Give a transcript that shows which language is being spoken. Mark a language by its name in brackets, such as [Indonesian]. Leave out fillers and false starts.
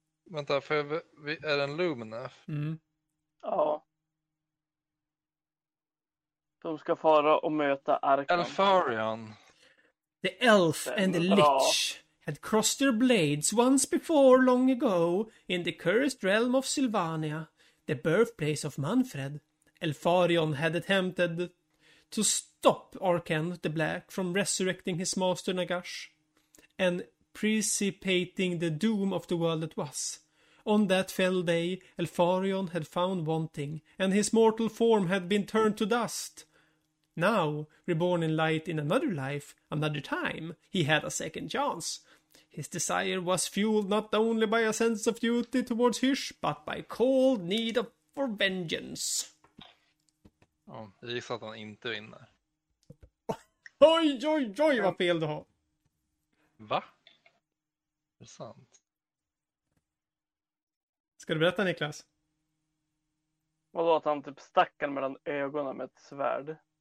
[Swedish] Vänta, är det en Lumineff? Mm. Ja. De ska fara och möta Arkan. [English] Elfarion. The Elf and the Lich. had crossed their blades once before long ago in the cursed realm of Sylvania, the birthplace of Manfred. Elfarion had attempted to stop Arken the Black from resurrecting his master Nagash and precipitating the doom of the world it was. On that fell day, Elfarion had found wanting, and his mortal form had been turned to dust. Now, reborn in light in another life, another time, he had a second chance. His desire was fueled not only by a sense of duty towards Hysh, but by cold need for vengeance. [Swedish] Ja, jag gissar att han inte vinner. Oj, oj, oj, vad fel du har! Va? Är det sant? Ska du berätta, Niklas? Vadå, att han typ stack han mellan ögonen med ett svärd?